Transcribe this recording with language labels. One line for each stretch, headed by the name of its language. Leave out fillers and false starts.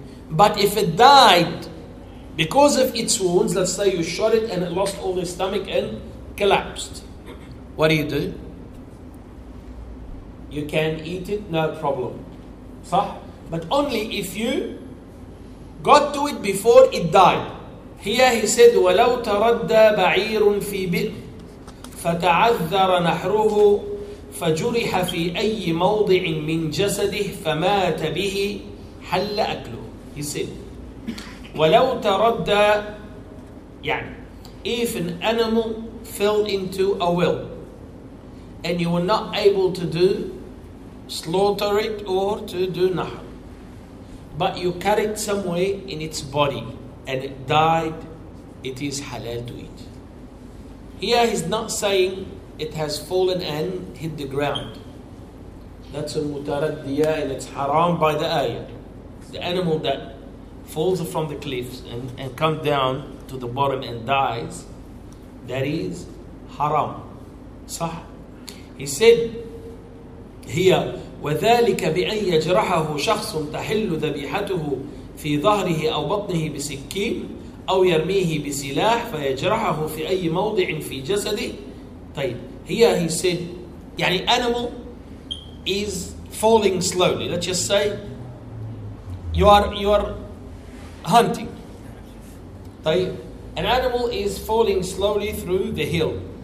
English: But if it died because of its wounds, let's say you shot it and it lost all the stomach and collapsed, what do? You can eat it, no problem.
Arabic: صح?
English: But only if you got to it before it died. Here he said,
Arabic: وَلَوْ تَرَدَّ بَعِيرٌ فِي بِئْرٍ فَتَعَذَّرَ نَحْرُهُ فَجُرِحَ فِي أَيِّ مَوْضِعٍ مِنْ جَسَدِهِ فَمَاتَ بِهِ حَلَّ أَكْلُهُ.
English: He said,
Arabic: وَلَوْ تَرَدَّ,
English: يعني, if an animal fell into a well and you were not able to do slaughter it or to do nahr, but you carried somewhere in its body and it died, it is halal to eat. Here he's not saying it has fallen and hit the ground. That's a mutaraddiya and it's haram by the ayah. The animal that falls from the cliffs and comes down to the bottom and dies, that is haram.
Arabic: Sah.
English: He said here,
Arabic: وذلك بأن يجرحه شخص تحل ذبيحته في ظهره أو بطنه بسكين أو يرميه بسلاح فيجرحه في أي موضع في جسده.
English: طيب, here he said, يعني animal is falling slowly. Let's just say you are hunting. طيب, an animal is falling slowly through the hill.